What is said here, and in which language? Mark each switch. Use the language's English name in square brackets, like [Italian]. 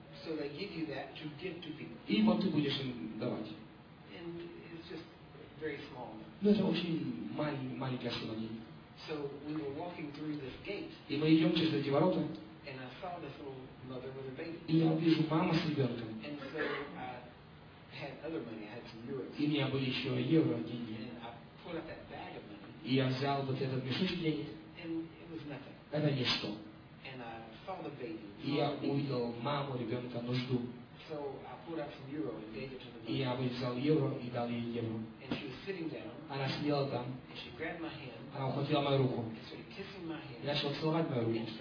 [English] So they give you that to give to people. [Russian] И вот ты будешь им давать. [English] And it's just very small. [Russian] Ну это очень маленькая сумма денег. [English] So we were walking through this gate. [Russian] И мы идем через эти ворота. [English] And I saw this little mother with a baby. [Russian] И я вижу маму с ребенком. [English] And so I had other money. I had some euros. [Russian] И у меня были еще евро деньги. [English] And I pulled out that bag of money. [Russian] И я взял вот этот мешочек денег. [English] And it was nothing. [Russian] Это ничто. [English] And I saw the baby. [Russian] И я увидел маму ребенка нужду. [English] So I pulled out some euro and gave it to the mother. [Russian] И я взял евро и дал ей евро. [English] And she was sitting down. [Russian] Она сидела там. [English] And she grabbed my hand. [Russian] Она ухватила мою руку. Я начал целовать мою руку.